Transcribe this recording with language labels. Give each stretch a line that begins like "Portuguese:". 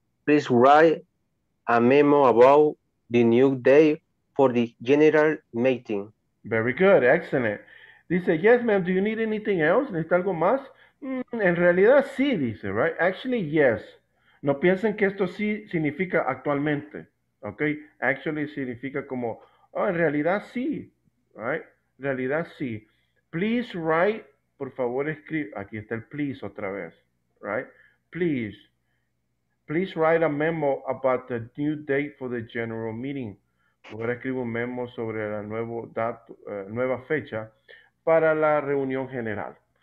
English: Please write a memo about the new day for the general meeting. Very good, excellent.
Spanish: Dice,
English: yes, ma'am, do you need anything else?
Spanish: ¿Necesita algo más? En realidad, sí, dice,
English: right? Actually, yes.
Spanish: No piensen que esto sí significa actualmente, okay? Actually significa como, oh, en realidad, sí,
English: right?
Spanish: En realidad, sí.
English: Please write,
Spanish: por favor, escribe, aquí está el please otra vez,
English: right? Please write a memo about the new date for the general meeting.
Spanish: Ahora escribo un memo sobre la nuevo dato, nueva fecha para la reunión general.